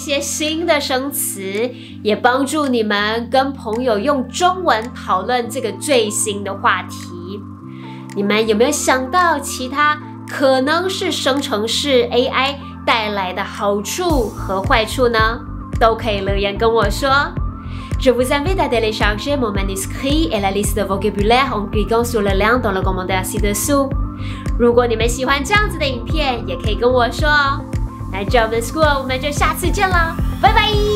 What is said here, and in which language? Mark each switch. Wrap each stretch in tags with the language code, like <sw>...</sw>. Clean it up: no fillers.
<zh>希望今天的影片能够帮助你们学会一些新的生词， 也帮助你们跟朋友用中文讨论这个最新的话题。你们有没有想到其他可能是生成式 AI带来的好处和坏处呢? 都可以留言跟我说。</zh> <fr>Je vous invite à télécharger mon manuscrit et la liste de vocabulaire en cliquant sur le lien dans le commentaire ci-dessous.</fr> <zh>如果你们喜欢这样子的影片，也可以跟我说哦。那 German School， 我们就下次见了，拜拜。</zh>